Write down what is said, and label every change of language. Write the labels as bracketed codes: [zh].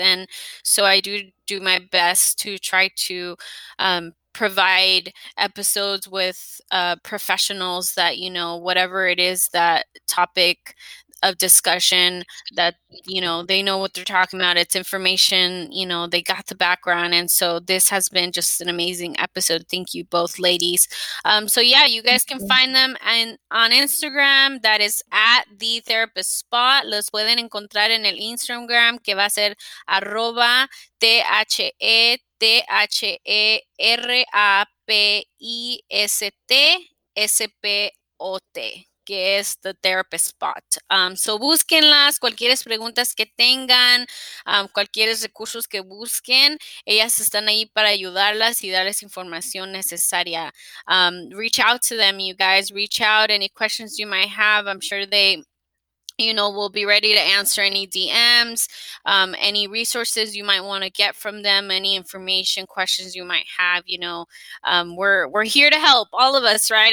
[en] And so I do my best to try to provide episodes with professionals that, you know, whatever it is, that topic of discussion, that, you know, they know what they're talking about. It's information, you know, they got the background. And so this has been just an amazing episode. Thank you both, ladies. So yeah, you guys can find them on Instagram. That is at The Therapist Spot. [es] Los pueden encontrar en el Instagram, que va a ser @THETHERAPISTSPOT. Que es The Therapist Spot. So búsquenlas, cualquier preguntas que tengan, cualquier recursos que busquen, ellas están ahí para ayudarlas y darles información necesaria. [en] Reach out to them, you guys. Reach out, any questions you might have. I'm sure they you know, we'll be ready to answer any DMs, any resources you might want to get from them, any information, questions you might have. You know, we're here to help, all of us, right?